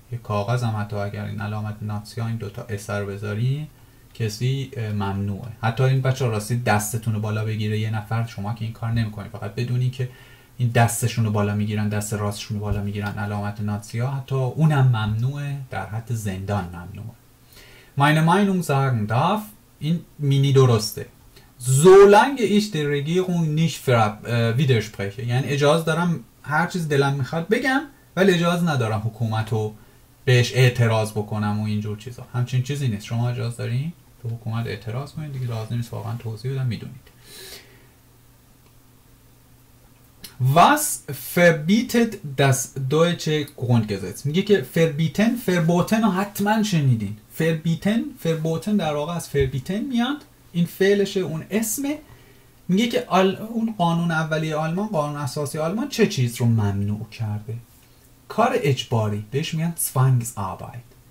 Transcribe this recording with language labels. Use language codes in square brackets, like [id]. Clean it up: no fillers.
[fa] یه کاغذ هم حتی اگر این علامت ناتسی ها این دوتا اثر بذاری کسی ممنوعه. حتی این بچه راستی دستتون رو بالا بگیره یه نفر، شما که این کار نمیکنید، فقط بدونی که این دستشون رو بالا میگیرن، دست راستشون رو بالا میگیرن علامت ناتسی ها، حتی اونم ممنوعه، در حد زندان ممنوعه. [de] Meine Meinung sagen darf, [fa] این مینی درسته. [de] Solange ich der Regierung nicht widerspreche. [fa] یعنی اجازه دارم هر چیز دلم میخواد بگم ولی اجازه ندارم حکومت رو بهش اعتراض بکنم و اینجور چیزا. همچین چیزی نیست. شما اجازه دارین به حکومت اعتراض کنید. دیگه لازم نیست واقعا توضیح بدم، میدونید. [de] Was verbietet das deutsche Grundgesetz? [fa] میگه که verbieten، verboten رو حتما شنیدین. فربیتن، فربوتن در واقع از فربیتن میاد، این فعلشه، اون اسمه. میگه که اون قانون اولیه آلمان، قانون اساسی آلمان چه چیز رو ممنوع کرده؟ کار اجباری، بهش میگن زوانگز آباید.